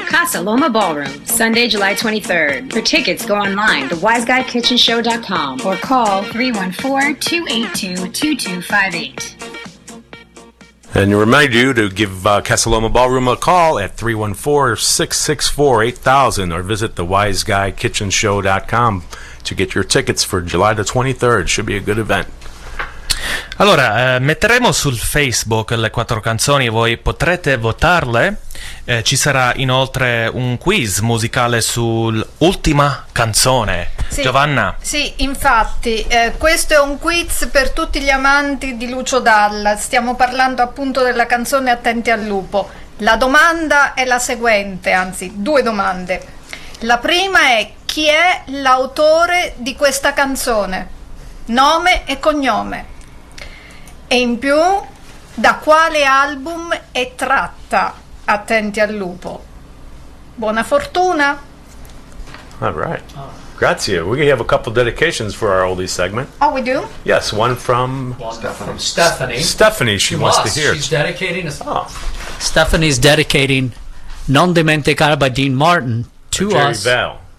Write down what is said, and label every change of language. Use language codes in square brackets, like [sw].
[en] Casa Loma Ballroom, Sunday, July 23rd. For tickets, go online, thewiseguykitchenshow.com, or call 314-282-2258. And remind you to give Casa Loma Ballroom a call at 314-664-8000 or visit thewiseguykitchenshow.com to get your tickets for July the 23rd. Should be a good event. [it] Allora, metteremo sul Facebook le quattro canzoni, voi potrete votarle. Ci sarà inoltre un quiz musicale sull'ultima canzone. Sì, Giovanna? Sì, infatti, questo è un quiz per tutti gli amanti di Lucio Dalla. Stiamo parlando appunto della canzone Attenti al Lupo. La domanda è la seguente, anzi, due domande. La prima è: chi è l'autore di questa canzone? Nome e cognome. E in più, da quale album è tratta Attenti al Lupo? Buona fortuna! [en] All right. [it] Grazie. [en] We have a couple dedications for our oldie segment. Oh, we do? Yes, one from Stephanie. She wants to hear. She's dedicating us. Stephanie's dedicating Non Dimenticare by Dean Martin to Jerry us. Bell.